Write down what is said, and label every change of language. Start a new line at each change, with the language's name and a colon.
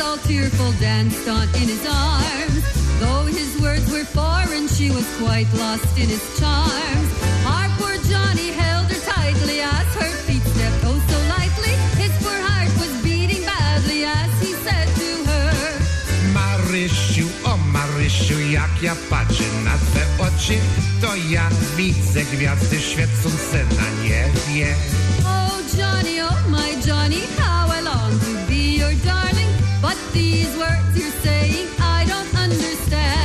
English: angel danced on in his arms. Though his words were foreign, she was quite lost in his charms. Our poor Johnny held her tightly as her feet stepped oh so lightly. His poor heart was beating badly as he said to her,
Polish: Marishu, oh Marishu, jak ja patrzę na te oczy, to ja widzę gwiazdy świecą se na niebie.
English: Oh Johnny, oh my Johnny, how I long to be your darling, but these words you're saying I don't understand.